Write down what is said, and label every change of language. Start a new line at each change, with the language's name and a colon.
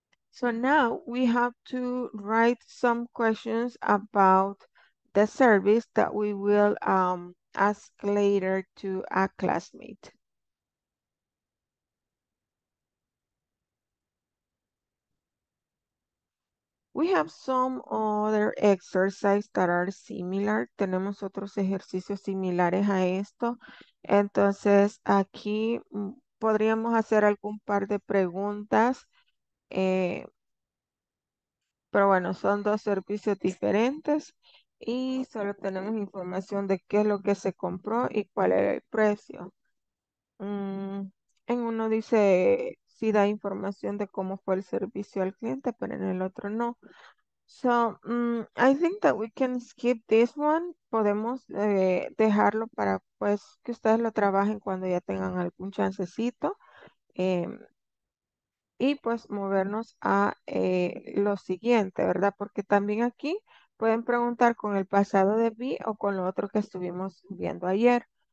English: So now we have to write some questions about the service that we will ask later to a classmate. We have some other exercises that are similar.
Spanish: Tenemos otros ejercicios similares a esto. Entonces, aquí podríamos hacer algún par de preguntas. Pero bueno, son dos servicios diferentes. Y solo tenemos información de qué es lo que se compró y cuál era el precio. En uno dice sí da información de cómo fue el servicio al cliente, pero en el otro no.
English: So, I think that we can skip this one.
Spanish: Podemos dejarlo para pues que ustedes lo trabajen cuando ya tengan algún chancecito. Y pues movernos a lo siguiente, ¿verdad? Porque también aquí pueden preguntar con el pasado de be o con lo otro que estuvimos viendo ayer.